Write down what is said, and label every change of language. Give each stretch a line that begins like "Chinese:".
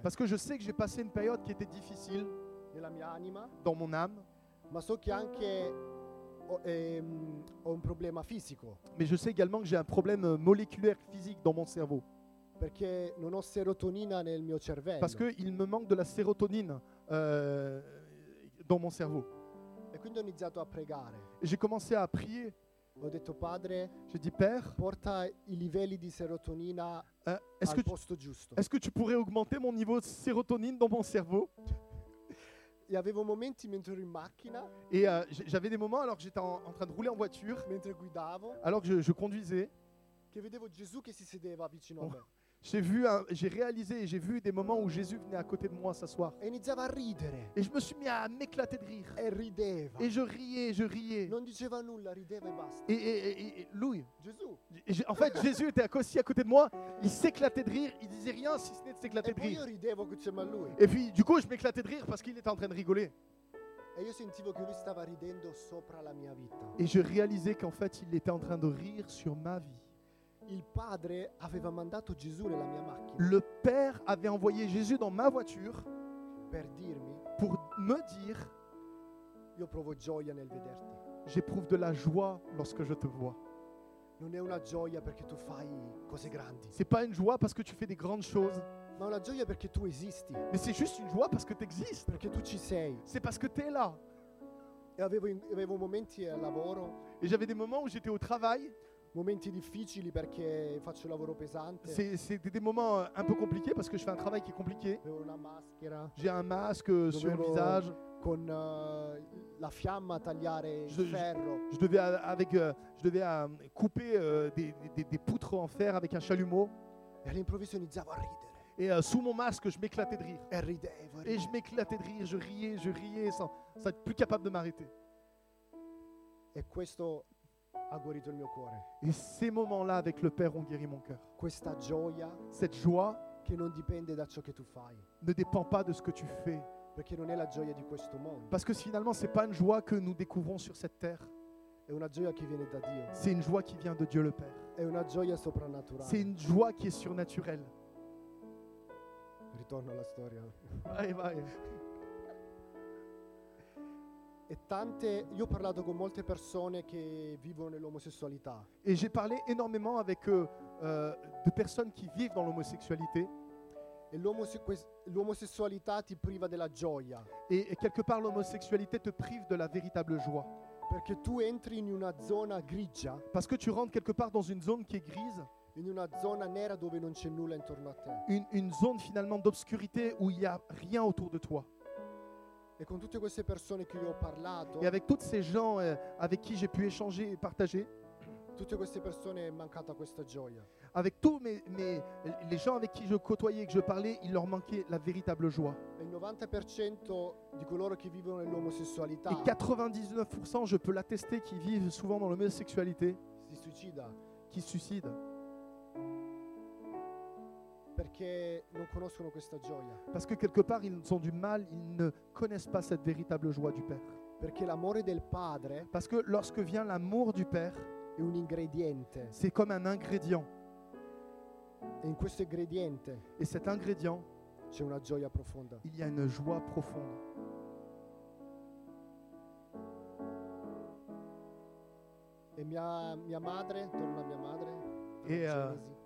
French: Parce que je sais que j'ai passé une période qui était difficile.
Italian: Nella mia anima.
French: Dans mon âme.
Italian: Ma so che anche ho un problema fisico.
French: Mais je sais également que j'ai un problème moléculaire physique dans mon cerveau.
Italian: Perché non ho serotonina nel mio cervello.
French: Parce que il me manque de la sérotonine dans mon cerveau.
Italian: E quindi ho iniziato a pregare.
French: Et j'ai commencé à prier.
Italian: Ho detto padre,
French: j'ai dit père,
Italian: porta i livelli di serotonina al posto giusto.
French: Est-ce que tu pourrais augmenter mon niveau de sérotonine dans mon cerveau?
Italian: Et avevo momenti mentre ero in macchina.
French: Et j'avais des moments alors que j'étais en train de rouler en voiture.
Italian: Mentre guidavo.
French: Alors que je conduisais.
Italian: Che vedevo Gesù che si sedeva vicino a me.
French: J'ai vu, j'ai réalisé, j'ai vu des moments où Jésus venait à côté de moi s'asseoir.
Italian: E iniziava a ridere.
French: Et je me suis mis à m'éclater de rire.
Italian: E rideva.
French: Et je riais.
Italian: Non diceva nulla, rideva e basta.
French: Et lui.
Italian: Gesù.
French: En fait, Jésus était aussi à côté de moi. Il s'éclatait de rire. Il disait rien si ce n'est de s'éclater de rire.
Italian: E io ridevo che c'era lui.
French: Et puis, du coup, je m'éclatais de rire parce qu'il était en train de rigoler.
Italian: E io sentivo che lui stava ridendo sopra la mia vita.
French: Et je réalisais qu'en fait, il était en train de rire sur ma vie.
Italian: Il padre aveva mandato Gesù nella mia macchina.
French: Le père avait envoyé Jésus dans ma voiture
Italian: per dirmi,
French: pour me dire,
Italian: io provo gioia nel vederti.
French: J'éprouve de la joie lorsque je te vois.
Italian: Non è una gioia perché tu fai cose grandi.
French: C'est pas une joie parce que tu fais des grandes choses.
Italian: Ma una gioia perché tu esisti.
French: Mais c'est juste une joie parce que t'existes.
Italian: Perché tu ci sei.
French: C'est parce que t'es là.
Italian: E avevo momenti al lavoro.
French: Et j'avais des moments où j'étais au travail.
Italian: Momenti difficili perché faccio un lavoro pesante.
French: C'est des moments un peu compliqués parce que je fais un travail qui est compliqué.
Italian: Avevo una maschera.
French: J'ai un masque sur le visage.
Italian: Con la fiamma tagliare il ferro.
French: Je devais couper des poutres en fer avec un chalumeau.
Italian: E all'improvviso iniziavo a ridere.
French: Et sous mon masque, je m'éclatais de rire.
Italian: E ridevo.
French: Et je m'éclatais de rire, je riais sans être plus capable de m'arrêter.
Italian: E questo ha guarito il mio cuore.
French: Et ces moments-là avec le Père ont guéri mon cœur.
Italian: Questa gioia,
French: cette joie,
Italian: che non dipende da ciò che tu fai,
French: ne dépend pas de ce que tu fais.
Italian: Perché non è la gioia di questo mondo.
French: Parce que finalement, c'est pas une joie que nous découvrons sur cette terre.
Italian: È una gioia che viene da Dio.
French: C'est une joie qui vient de Dieu le Père.
Italian: È una gioia soprannaturale.
French: C'est une joie qui est surnaturelle.
Italian: Ritorno alla storia. Vai. E tante, io ho parlato con molte persone che vivono nell'omosessualità.
French: Et j'ai parlé énormément avec de personnes qui vivent dans l'homosexualité.
Italian: E l'omosessualità ti priva della gioia.
French: Et quelque part l'homosexualité te prive de la véritable joie.
Italian: Perché tu entri in una zona grigia.
French: Parce que tu rentres quelque part dans une zone qui est grise.
Italian: In una zona nera dove non c'è nulla intorno a te.
French: Une zone finalement d'obscurité où il y a rien autour de toi.
Italian: E con tutte queste persone che io ho parlato.
French: Et avec toutes ces gens avec qui j'ai pu échanger et partager.
Italian: Tutte queste persone è mancata questa gioia.
French: Avec tous mes les gens avec qui je côtoyais et que je parlais, il leur manquait la véritable joie.
Italian: E il 90% di coloro che vivono nell'omosessualità.
French: Et 99% je peux l'attester qui vivent souvent dans l'homosexualité.
Italian: Si suicida.
French: Qui suicide.
Italian: Perché non conoscono questa gioia.
French: Parce que quelque part ils ont du mal, ils ne connaissent pas cette véritable joie du Père.
Italian: Perché l'amore del Padre.
French: Parce que lorsque vient l'amour du Père.
Italian: È un ingrediente.
French: C'est comme un ingrédient.
Italian: E in questo ingrediente.
French: Et cet ingrédient.
Italian: C'è una gioia profonda.
French: Il y a une joie profonde.
Italian: E mia madre, torno a mia madre.